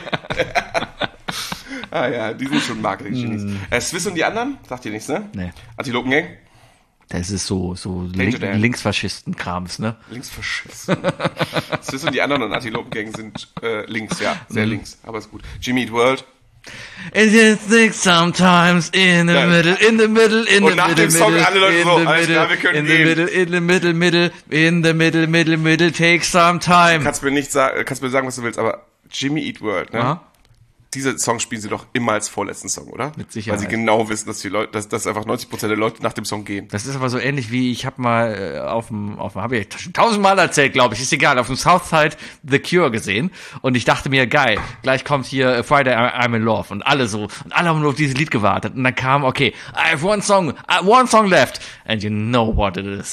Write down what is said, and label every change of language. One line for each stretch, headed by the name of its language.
German: Okay. Ah ja, die sind schon Marketing-Genies. Swiss und die anderen? Sagt ihr nichts, ne? Nee. Antilopen-Gang? Das ist so Linksfaschisten-Krams, ne? Linksfaschisten. Swiss und die anderen und Antilopen-Gang sind links, ja. Sehr links, aber ist gut. Jimmy Eat World.
English: It is six sometimes in the middle, in the middle, in the middle.
German: Und nach dem Song alle Leute so, alles klar, wir können gehen.
English: In the middle, take some time.
German: Kannst mir sagen, was du willst, aber Jimmy Eat World, ne? Aha. Diese Song spielen sie doch immer als vorletzten Song, oder? Mit Sicherheit. Weil sie genau wissen, dass die Leute, dass einfach 90% der Leute nach dem Song gehen. Das ist aber so ähnlich wie, ich habe mal habe ich schon tausendmal erzählt, glaube ich, ist egal, auf dem Southside The Cure gesehen und ich dachte mir, geil, gleich kommt hier Friday I'm in Love und alle so, und alle haben nur auf dieses Lied gewartet und dann kam,
English: okay, I have one song left and you know what it is.